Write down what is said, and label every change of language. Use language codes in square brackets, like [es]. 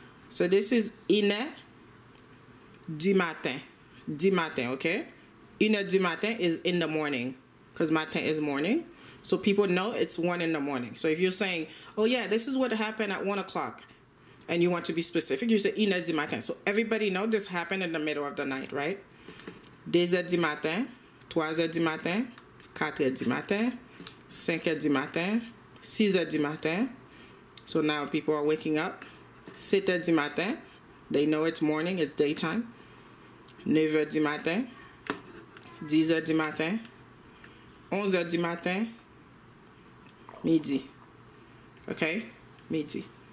[en] So this is [fr] une du matin, [en] okay? [fr] Une du matin [en] is in the morning, because matin is morning. So people know it's 1 a.m. So if you're saying, oh yeah, this is what happened at 1 o'clock, and you want to be specific, you say, [fr] une du matin. [en] So everybody know this happened in the middle of the night, right? [fr] 2 heures du matin, 3 heures du matin, 4 heures du matin, 5 heures du matin, 6 heures du matin. [en] So now people are waking up. [fr] 7 heures du matin, [en] they know it's morning, it's daytime. [fr] 9 heures du matin, 10 heures du matin, 11 heures du matin, midi, okay, midi.